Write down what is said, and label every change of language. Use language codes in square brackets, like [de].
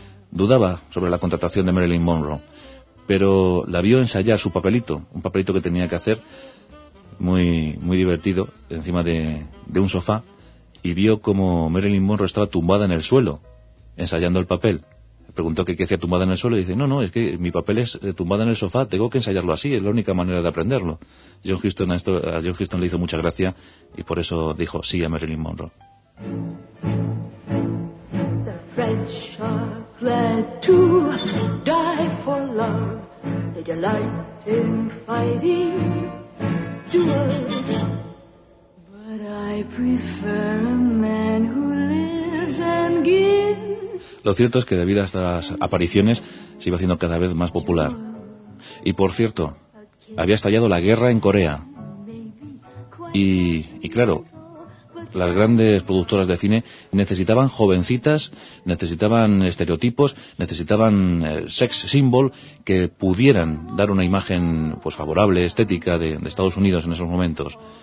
[es] Dudaba sobre la contratación de Marilyn Monroe, pero la vio ensayar su papelito, un papelito que tenía que hacer, muy, muy divertido, encima de un sofá, y vio como Marilyn Monroe estaba tumbada en el suelo, ensayando el papel. Preguntó qué hacía tumbada en el suelo, y dice, no, es que mi papel es tumbada en el sofá, tengo que ensayarlo así, es la única manera de aprenderlo. A John Huston le hizo mucha gracia, y por eso dijo sí a Marilyn Monroe. [en] The French are glad to die for love, they delight in fighting duels. But I prefer a man who lives and gives. [es] Lo cierto es que debido a estas apariciones se iba haciendo cada vez más popular. Y por cierto, había estallado la guerra en Corea. Y claro, las grandes productoras de cine necesitaban jovencitas, necesitaban estereotipos, necesitaban sex symbol que pudieran dar una imagen pues favorable, estética de Estados Unidos en esos momentos.